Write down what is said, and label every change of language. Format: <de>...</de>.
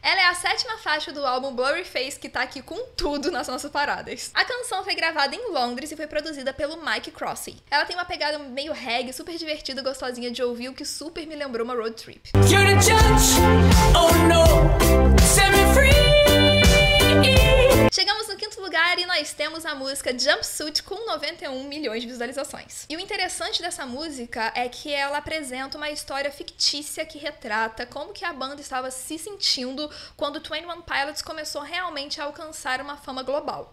<pt>Ela é a 7ª faixa do álbum Blurry Face, que tá aqui com tudo nas nossas paradas. A canção foi gravada em Londres e foi produzida pelo Mike Crossey. Ela tem uma pegada meio reggae, super divertida, gostosinha de ouvir, o que super me lembrou uma road trip.</pt> <en>You're the judge, oh no, set me free.</en> <pt>Chegamos no quinto lugar e nós temos a música Jumpsuit, com 91 milhões de visualizações. E o interessante dessa música é que ela apresenta uma história fictícia que retrata como que a banda estava se sentindo quando 21 Pilots começou realmente a alcançar uma fama global.</pt>